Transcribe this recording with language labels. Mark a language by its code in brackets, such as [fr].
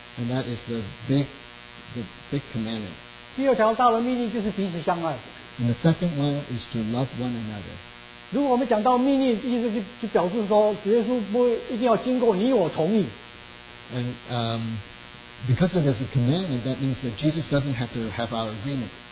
[en] And that is the big commandment. [zh] 第二条大的命令就是彼此相爱。 [en] And the second one is to love one another. [zh] 如果我们讲到命令，意思就表示说，耶稣不一定要经过你我同意。 [en] And Because it is a commandment, that means that Jesus doesn't have to have our agreement.